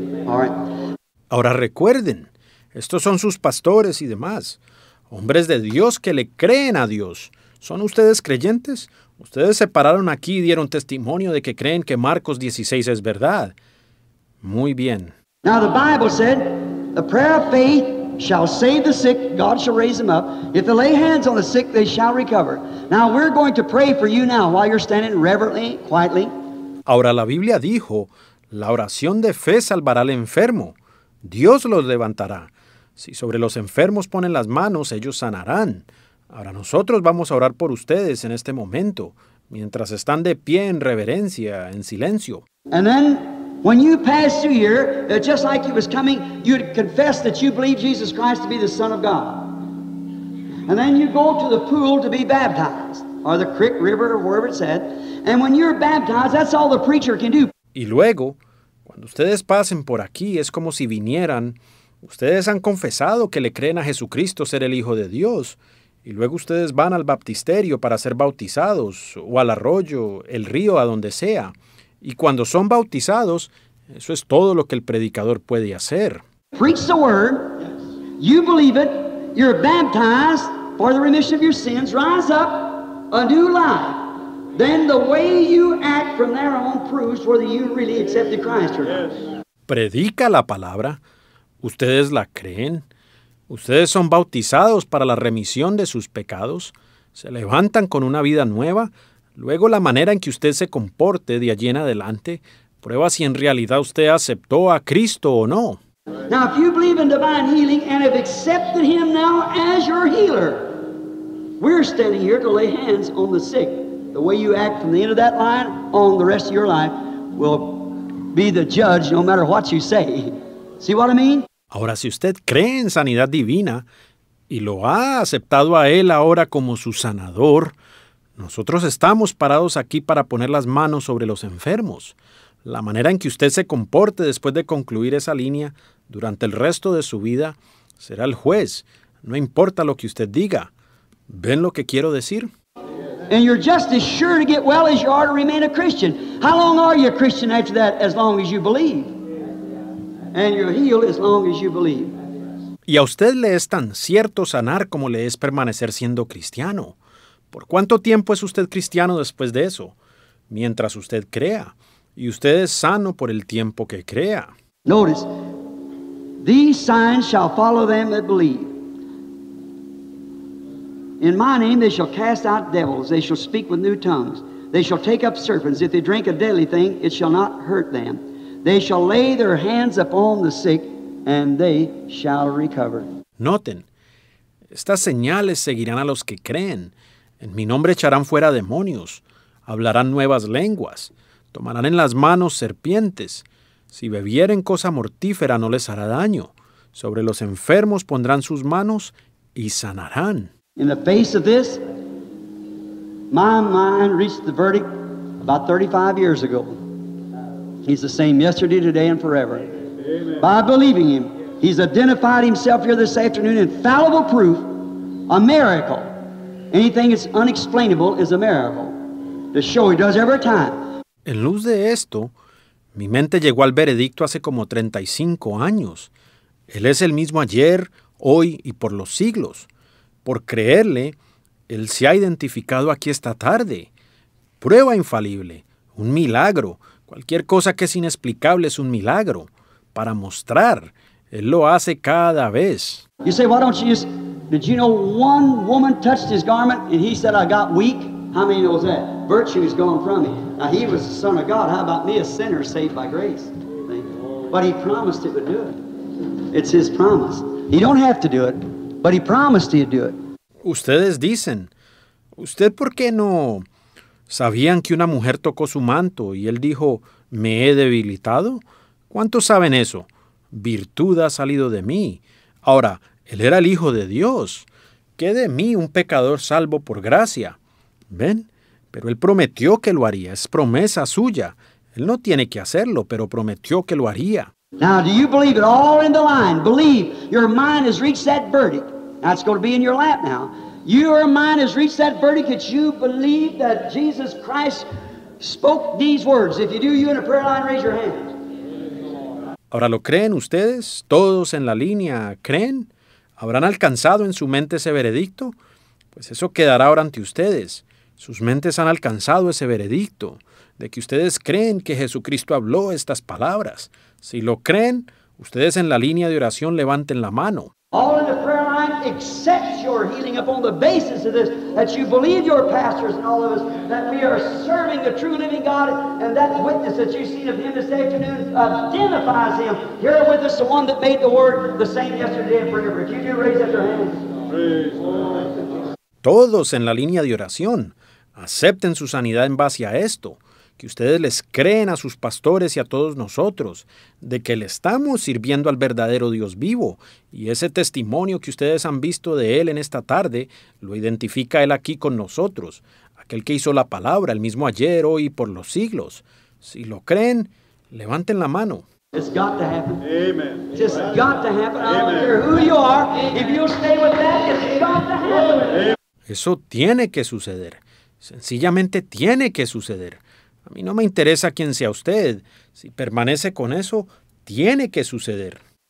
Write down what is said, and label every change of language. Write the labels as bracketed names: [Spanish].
[English] All right. [Spanish] Ahora recuerden, estos son sus pastores y demás, hombres de Dios que le creen a Dios. ¿Son ustedes creyentes? Ustedes se pararon aquí y dieron testimonio de que creen que Marcos 16 es verdad. Muy bien. [English] Now the Bible said, the prayer of faith shall save the sick, God shall raise them up. If they lay hands on the sick, they shall recover. Now we're going to pray for you now while you're standing reverently, quietly. [Spanish] Ahora la Biblia dijo, la oración de fe salvará al enfermo. Dios los levantará. Si sobre los enfermos ponen las manos, ellos sanarán. Ahora nosotros vamos a orar por ustedes en este momento, mientras están de pie en reverencia, en silencio. [English] And then, when you pass through here, just like you was coming, you'd confess that you believe Jesus Christ to be the Son of God. And then you go to the pool to be baptized, or the creek, river, or wherever it's at. And when you're baptized, that's all the preacher can do. [Spanish] Y luego, cuando ustedes pasen por aquí, es como si vinieran. Ustedes han confesado que le creen a Jesucristo ser el Hijo de Dios. Y luego ustedes van al baptisterio para ser bautizados, o al arroyo, el río, a donde sea. Y cuando son bautizados, eso es todo lo que el predicador puede hacer. [English] Preach the word, you believe it, you're baptized for the remission of your sins, rise up, a new life. Then the way you act from there on proves whether you really accepted Christ or not. [Spanish] predica la palabra. Ustedes la creen. Ustedes son bautizados para la remisión de sus pecados. Se levantan con una vida nueva. Luego, la manera en que usted se comporte de allí en adelante prueba si en realidad usted aceptó a Cristo o no. [English] Now, if you believe in divine healing and have accepted Him now as your healer, we're standing here to lay hands on the sick. The way you act from the end of that line on the rest of your life will be the judge no matter what you say. See what I mean? [Spanish] Ahora, si usted cree en sanidad divina y lo ha aceptado a Él ahora como su sanador, nosotros estamos parados aquí para poner las manos sobre los enfermos. La manera en que usted se comporte después de concluir esa línea durante el resto de su vida será el juez. No importa lo que usted diga. ¿Ven lo que quiero decir? [English] And you're just as sure to get well as you are to remain a Christian. How long are you a Christian after that? As long as you believe. And you're healed as long as you believe. [Spanish] Y a usted le es tan cierto sanar como le es permanecer siendo cristiano. ¿Por cuánto tiempo es usted cristiano después de eso? Mientras usted crea. Y usted es sano por el tiempo que crea. [English] Notice, these signs shall follow them that believe. In my name they shall cast out devils, they shall speak with new tongues, they shall take up serpents, if they drink a deadly thing, it shall not hurt them. They shall lay their hands upon the sick, and they shall recover. [Spanish] Noten, estas señales seguirán a los que creen. En mi nombre echarán fuera demonios, hablarán nuevas lenguas, tomarán en las manos serpientes. Si bebieren cosa mortífera, no les hará daño. Sobre los enfermos pondrán sus manos y sanarán. [English] In the face of this, my mind reached the verdict about 35 years ago. He's the same yesterday, today, and forever. Amen. By believing Him, He's identified Himself here this afternoon, infallible proof, a miracle. Anything that's unexplainable is a miracle. The show He does every time. [Spanish] En luz de esto, mi mente llegó al veredicto hace como 35 años. Él es el mismo ayer, hoy y por los siglos. Por creerle, Él se ha identificado aquí esta tarde. Prueba infalible, un milagro. Cualquier cosa que es inexplicable es un milagro. Para mostrar, Él lo hace cada vez. [English] You say, why don't you just, did you know one woman touched His garment and He said, I got weak? How many knows that? Virtue is gone from me. Now, He was the Son of God. How about me, a sinner saved by grace? But He promised it would do it. It's His promise. You don't have to do it. But He promised He'd do it. [Spanish] Ustedes dicen, ¿usted por qué no sabían que una mujer tocó su manto y Él dijo, me he debilitado? ¿Cuántos saben eso? Virtud ha salido de mí. Ahora, Él era el Hijo de Dios. ¿Qué de mí un pecador salvo por gracia? ¿Ven? Pero Él prometió que lo haría. Es promesa suya. Él no tiene que hacerlo, pero prometió que lo haría. [English] Now, do you believe it all in the line? Believe your mind has reached that verdict. Now, it's going to be in your lap now. Your mind has reached that verdict that you believe that Jesus Christ spoke these words. If you do, you in a prayer line, raise your hand. [Spanish] Ahora, ¿lo creen ustedes? ¿Todos en la línea creen? ¿Habrán alcanzado en su mente ese veredicto? Pues eso quedará ahora ante ustedes. Sus mentes han alcanzado ese veredicto de que ustedes creen que Jesucristo habló estas palabras. Si lo creen, ustedes en la línea de oración levanten la mano. [English] All in the prayer line accepts your healing upon the basis of this, that you believe your pastors and all of us, that we are serving the true living God, and that witness that you've seen of Him this afternoon identifies Him. Here with us, the one that made the word the same yesterday and forever. If you do, raise up your hands. [Spanish] Todos en la línea de oración, acepten su sanidad en base a esto. Que ustedes les creen a sus pastores y a todos nosotros, de que le estamos sirviendo al verdadero Dios vivo. Y ese testimonio que ustedes han visto de Él en esta tarde, lo identifica Él aquí con nosotros. Aquel que hizo la palabra, el mismo ayer, hoy y por los siglos. Si lo creen, levanten la mano. [English] It's got to happen. Amen. It's just got to happen. I don't care who you are. If you'll stay with that, it's got to happen. [Spanish] Eso tiene que suceder. Sencillamente tiene que suceder. A mí no me interesa quién sea usted. Si permanece con eso, tiene que suceder.